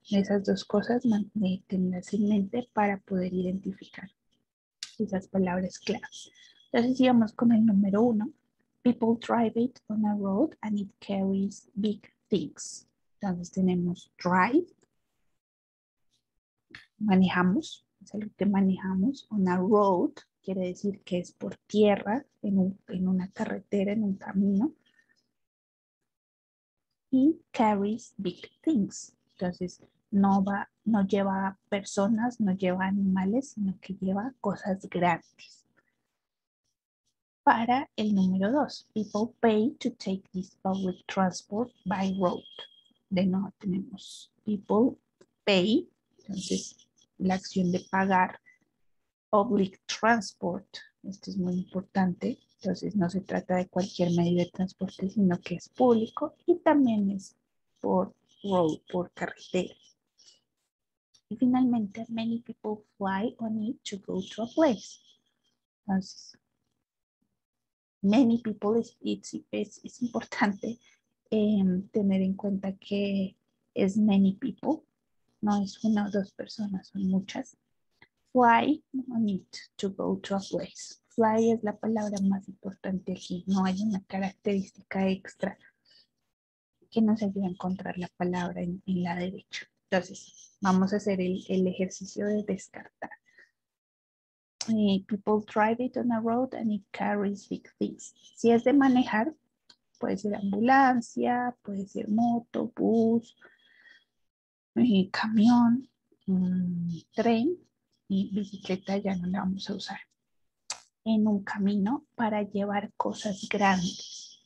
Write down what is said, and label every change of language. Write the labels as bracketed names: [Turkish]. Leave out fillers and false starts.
[Spanish] Esas dos cosas mantenerlas en mente para poder identificar esas palabras claras. Entonces sigamos con el número uno. [English] People drive it on a road and it carries big things. [Spanish] Entonces tenemos drive. Manejamos. Es algo que manejamos. [English] On a road [Spanish] quiere decir que es por tierra, en una carretera, en un camino. Y [English] carries big things. [Spanish] Entonces, no lleva personas, no lleva animales, sino que lleva cosas grandes. Para el número dos, [English] people pay to take this public transport by road. [Spanish] De nuevo tenemos [English] people pay. [Spanish] Entonces, la acción de pagar [English] public transport, [Spanish] esto es muy importante, entonces no se trata de cualquier medio de transporte, sino que es público y también es por road, por carretera. Y finalmente, [English] many people fly on it to go to a place. [Spanish] Entonces, [English] many people, [Spanish] es importante tener en cuenta que es many people. No es una o dos personas, son muchas. [English] Fly on it to go to a place. [Spanish] Fly es la palabra más importante aquí. No hay una característica extra que nos ayude a encontrar la palabra en la derecha. Entonces, vamos a hacer el ejercicio de descartar. [English] People drive it on a road and it carries big things. [Spanish] Si es de manejar, puede ser ambulancia, puede ser moto, bus, camión, tren y bicicleta ya no la vamos a usar. En un camino para llevar cosas grandes.